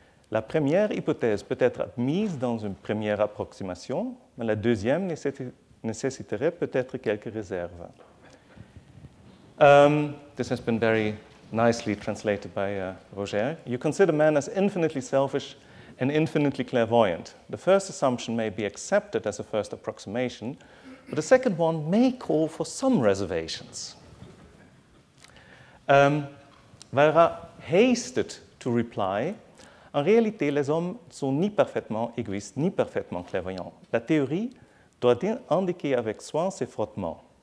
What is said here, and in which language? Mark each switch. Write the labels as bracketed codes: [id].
[fr] La première hypothèse peut être admise dans une première approximation, mais la deuxième nécessiterait peut-être quelques réserves. [en] This has been very nicely translated by Roger. You consider man as infinitely selfish and infinitely clairvoyant. The first assumption may be accepted as a first approximation, but the second one may call for some reservations. Valera hasted to reply, [fr] en réalité, les hommes sont ni parfaitement égoïstes, ni parfaitement clairvoyants. La théorie doit indiquer avec soin ses frottements.